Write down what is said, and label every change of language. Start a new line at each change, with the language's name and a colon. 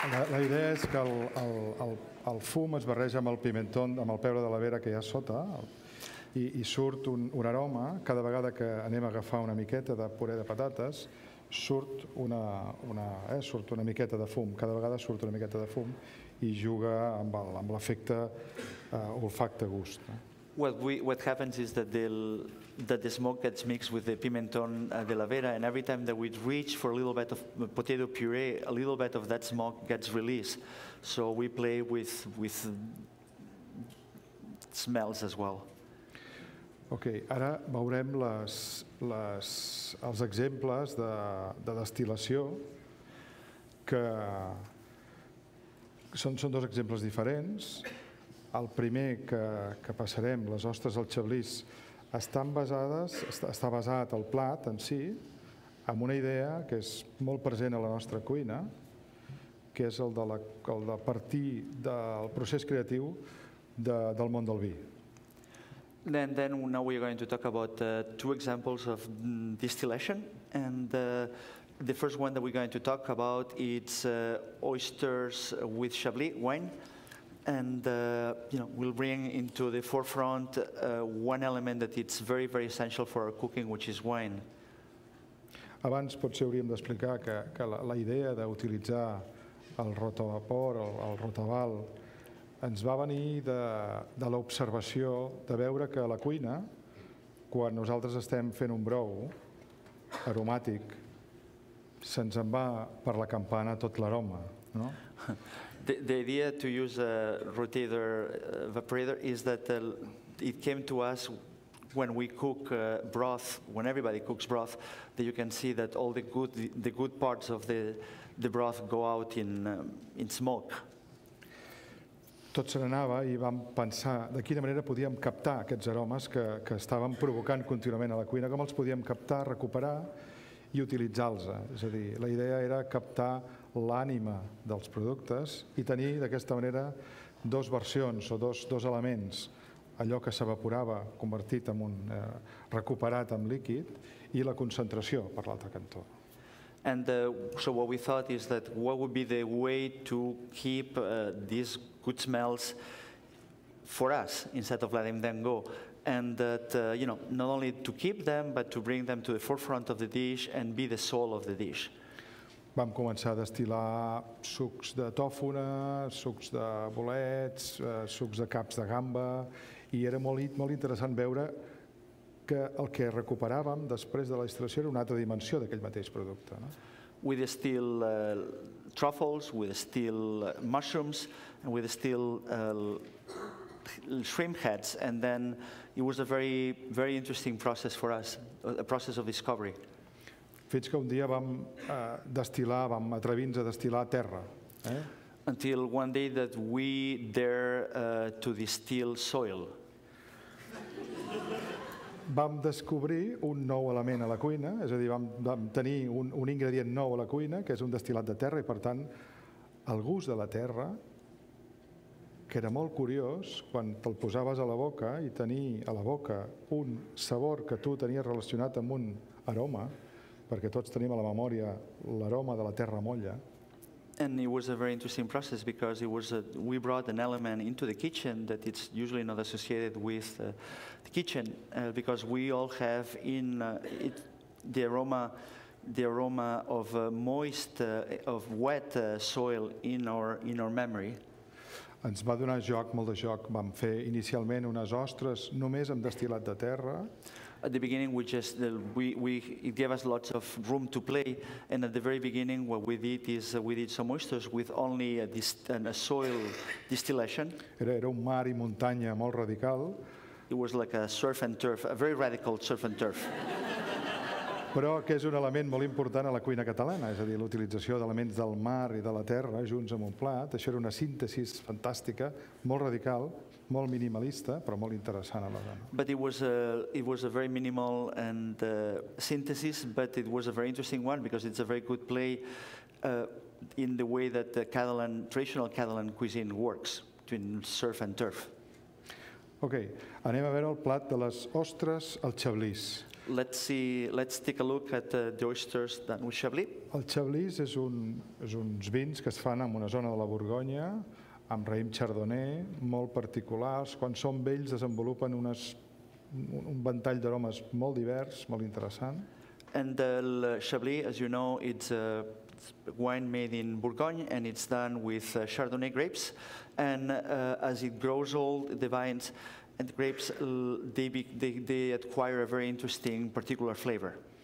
Catalan: La idea és que el fum es barreja amb el pimenton, amb el pebre de la Vera que hi ha sota, i surt un aroma. Cada vegada que anem a agafar una miqueta de puré de patates, surt una miqueta de fum. Cada vegada surt una miqueta de fum i juga amb l'efecte olfacte-gust.
English: What happens is that the smoke gets mixed with the pimenton de la Vera, and every time that we reach for a little bit of potato puree, a little bit of that smoke gets released. So we play with smells as well.
Catalan: Okay, ara veurem els exemples de destil·lació que són dos exemples diferents. El primer que passarem, les ostres al xablís, està basat el plat en si amb una idea que és molt present a la nostra cuina, que és el de partir del procés creatiu del món del vi.
English: Then now we are going to talk about two examples of distillation, and the first one that we're going to talk about is oysters with Chablis wine, and you know, we'll bring into the forefront one element that it's very very essential for our cooking, which is wine.
Catalan: Abans potser hauríem d'explicar que la idea d'utilitzar el rotavapor, el rotaval, ens va venir de l'observació de veure que a la cuina, quan nosaltres estem fent un brou aromàtic, se'ns en va per la campana tot l'aroma, no?
English: The idea to use a rotator evaporator is that it came to us when we cook broth, when everybody cooks broth, that you can see that all the good parts of the broth go out in smoke.
Catalan: Tot se n'anava i vam pensar de quina manera podíem captar aquests aromes que estàvem provocant contínuament a la cuina, com els podíem captar, recuperar i utilitzar-los. És a dir, la idea era captar l'ànima dels productes i tenir d'aquesta manera dos versions o dos elements: allò que s'evaporava convertit en un recuperat en líquid i la concentració per l'altre cantó.
English: And so what we thought is that what would be the way to keep these good smells for us instead of letting them go, and that you know, not only to keep them but to bring them to the forefront of the dish and be the soul of the dish.
Catalan: Vam començar a destilar sucs de tòfona, sucs de bolets, sucs de caps de gamba, i era molt interessant veure que el que recuperàvem després de la destil·lació era una altra dimensió d'aquell mateix producte.
English: We distill truffles, we distill mushrooms, and we distill shrimp heads, and then it was a very, very interesting process for us, a process of discovery.
Catalan: Fins que un dia vam destil·lar, vam atrevir-nos a destil·lar terra.
English: Until one day that we dare to distill soil.
Catalan: Vam descobrir un nou element a la cuina, és a dir, vam tenir un ingredient nou a la cuina, que és un destil·lat de terra, i per tant, el gust de la terra, que era molt curiós, quan te'l posaves a la boca i tenir a la boca un sabor que tu tenies relacionat amb un aroma, perquè tots tenim a la memòria l'aroma de la terra molla.
English: And it was a very interesting process because we brought an element into the kitchen that it's usually not associated with the kitchen, because we all have in it the aroma of moist of wet soil in our memory.
Catalan: Ens va donar joc, molt de joc. Vam fer inicialment unes ostres només amb destil·lat de terra.
English: At the beginning, it gave us lots of room to play, and at the very beginning, what we did is we did some oysters with only a soil distillation.
Catalan: Era un mar i muntanya molt radical.
English: It was like a surf and turf, a very radical surf and turf.
Catalan: Però que és un element molt important a la cuina catalana, és a dir, l'utilització d'elements del mar i de la terra junts amb un plat. Això era una síntesi fantàstica, molt radical, molt minimalista, però molt interessant a la dona.
English: But it was a very minimal and synthesis, but it was a very interesting one because it's a very good play in the way that the traditional Catalan cuisine works, between surf and turf.
Catalan: Okay, anem a veure el plat de les ostres al Chablis.
English: Let's take a look at the oysters done with Chablis.
Catalan: El Chablis és uns vins que es fan en una zona de la Borgonya, amb raïm chardonnay, molt particulars. Quan són vells desenvolupen un ventall d'aromes molt divers, molt interessant.
English: And el Chablis, as you know, it's a wine made in Bourgogne, and it's done with chardonnay grapes. And as it grows old, the vines and the grapes, they acquire a very interesting particular flavor.